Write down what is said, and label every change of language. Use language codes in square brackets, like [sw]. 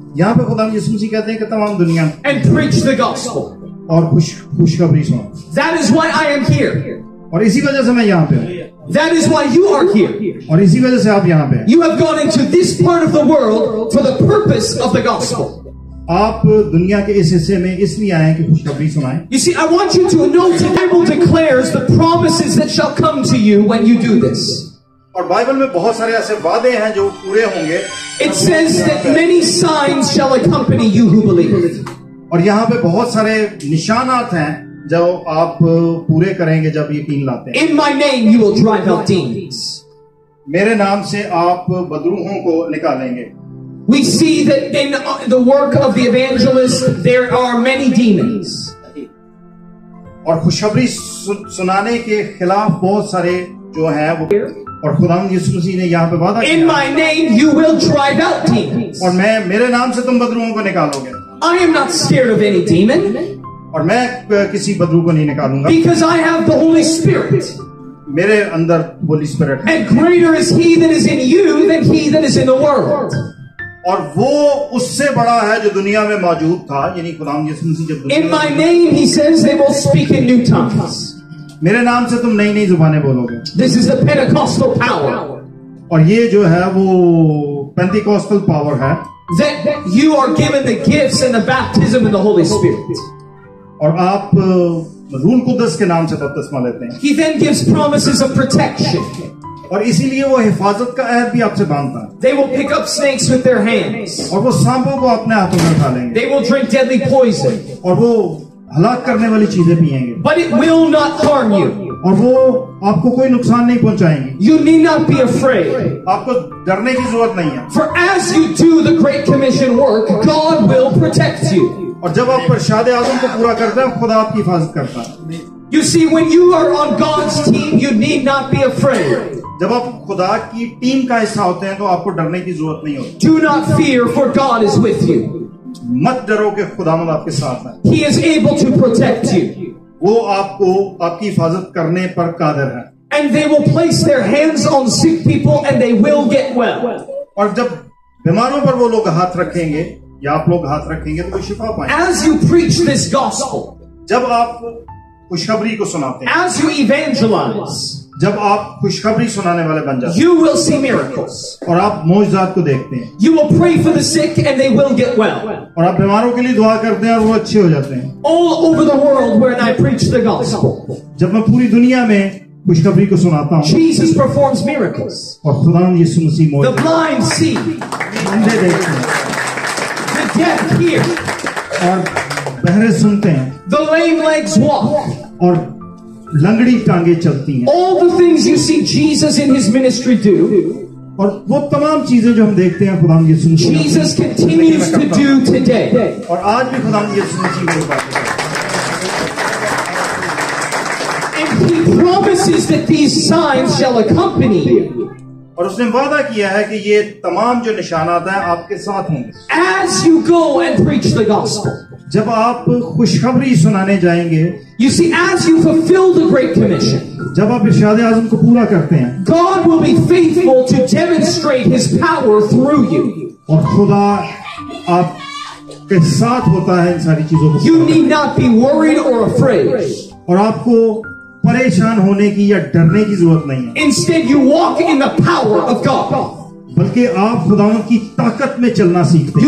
[ur] یہاں پہ خداوند یسوع مسیح کہتے ہیں کہ تمام دنیا [en] and preach the gospel [ur] اور خوشخبری سناؤ [en] That is why I am here [ur] اور اسی وجہ سے میں یہاں پہ ہوں [en] That is why you are here. [ur] اور اسی وجہ سے آپ یہاں پہ ہیں [en] You have gone into this part of the world for the purpose of the gospel. [ur] آپ دنیا کے اس حصے میں اس لیے آئے ہیں کہ خوشخبری سنائیں [en] You see, I want you to know the Bible declares the promises that shall come to you when you do this. [ur] اور بائبل میں بہت سارے ایسے وعدے ہیں جو پورے ہوں گے [en] It says that many signs shall accompany you who believe. [ur] اور یہاں پہ بہت سارے نشانات ہیں جب آپ پورے کریں گے جب یقین لاتے ہیں [en] In my name you will drive out demons. [ur] میرے نام سے آپ بدروحوں کو نکالیں گے [en] We see that in the work of the evangelist there are many demons. [ur] اور خوشخبری سنانے کے خلاف بہت سارے جو ہیں وہ اور خداوند یسوع مسیح نے یہاں پہ وعدہ [en] In my name you will drive out demons. [ur] اور میرے نام سے تم بدروحوں کو نکالو گے [en] I am not scared of any demon. [ur] اور میں کسی بدرو کو نہیں نکالوں گا [en] Because I have the Holy Spirit. [ur] میرے اندر Holy Spirit ہے [en] And greater is he that is in you than he that is in the world. [ur] اور وہ اس سے بڑا ہے جو دنیا میں موجود تھا یعنی خداوند یسوع مسیح جب [en] In my name he says they will speak in new tongues. [ur] میرے نام سے تم نئی نئی زبانیں بولو گے [en] This is the Pentecostal power. [ur] اور یہ جو ہے وہ Pentecostal power ہے [en] That you are given the gifts and the baptism in the Holy Spirit. [ur] اور آپ روح القدس کے نام سے بپتسمہ لیتے ہیں [en] He then gives promises of protection. [ur] اور اسی لیے وہ حفاظت کا عہد بھی آپ سے باندھتا ہے [en] They will pick up snakes with their hands. [ur] اور وہ سانپوں کو اپنے ہاتھوں میں اٹھا لیں گے [en] They will drink deadly poison. [ur] اور وہ ہلاک کرنے والی چیزیں پیئیں گے [en] But it will not harm you. [ur] اور وہ آپ کو کوئی نقصان نہیں پہنچائیں گے [en] You need not be afraid. [ur] آپ کو ڈرنے کی ضرورت نہیں ہے [en] For as you do the Great Commission work, God will protect you. [ur] اور جب آپ پرشاد اعظم کو پورا کرتے ہیں خدا آپ کی حفاظت کرتا ہے [en] You see, when you are on God's team, you need not be afraid. [ur] جب آپ خدا کی ٹیم کا حصہ ہوتے ہیں تو آپ کو ڈرنے کی ضرورت نہیں ہوتی [en] Do not fear, for God is with you. [ur] مت ڈرو کہ خداوند آپ کے ساتھ ہے [en] He is able to protect you. [ur] وہ آپ کو آپ کی حفاظت کرنے پر قادر ہے [en] And they will place their hands on sick people and they will get well. [ur] اور جب بیماروں پر وہ لوگ ہاتھ رکھیں گے یا آپ لوگ ہاتھ رکھیں گے تو وہ شفا پائیں [en] As you preach this gospel. [ur] جب آپ خوشخبری کو سناتے ہیں [en] As you evangelize. [ur] جب آپ خوشخبری سنانے والے بن جاتے ہیں [en] You will see miracles. [ur] اور آپ معجزات کو دیکھتے ہیں [en] You will pray for the sick and they will get well. [ur] اور آپ بیماروں کے لیے دعا کرتے ہیں اور وہ اچھے ہو جاتے ہیں [en] All over the world when I preach the gospel. [ur] جب میں پوری دنیا میں خوشخبری کو سناتا ہوں [en] Jesus performs miracles. [ur] اور خداوند یسوع مسیح معجزات [en] The blind see. [ur] اندھے دیکھتے ہیں [en] The deaf hear. [ur] اور بہرے سنتے ہیں [en] The lame legs walk. [ur] اور لنگڑی ٹانگیں چلتی ہیں [en] All the things you see Jesus in his ministry do. [ur] اور وہ تمام چیزیں جو ہم دیکھتے ہیں خداوند یسوع مسیح [en] Jesus continues to do today. [ur] اور آج بھی خداوند یسوع مسیح وہ کرتے ہیں [en] promises that these signs shall accompany you. [ur] اور اس نے وعدہ کیا ہے کہ یہ تمام جو نشانات ہیں آپ کے ساتھ ہوں گے [en] As you go and preach the gospel. [ur] جب آپ خوشخبری سنانے جائیں گے [en] You see, as you fulfill the great commission. [ur] جب آپ ارشاد اعظم کو پورا کرتے ہیں [en] God will be faithful to demonstrate his power through you. [ur] اور خدا آپ کے ساتھ ہوتا ہے ان ساری چیزوں کو [en] You need not be worried or afraid. [ur] اور آپ کو پریشان ہونے کی یا ڈرنے کی ضرورت نہیں ہے [en] Instead, you walk in the power of God. [ur] بلکہ آپ خداوند کی طاقت میں چلنا سیکھتے